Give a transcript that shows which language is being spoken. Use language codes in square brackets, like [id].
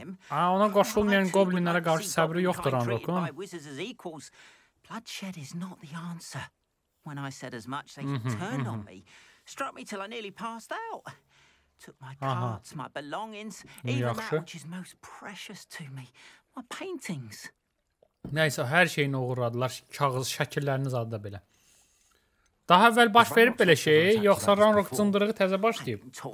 [az] Ha, ona qoşulmayan goblinlərə qarşı səbri yoxdur Renrock'un. [en] Bloodshed is not the answer. When I said as much, they turned on me, struck me till I nearly passed out. Took my cards, my belongings, even that which is most precious to me, my paintings. [az] Neyse, her şeyini uğurladılar. Kağız, şəkilləriniz adı da belə. Daha əvvəl baş verib belə şey, yoxsa Renrock cındırığı təzə başlayıb.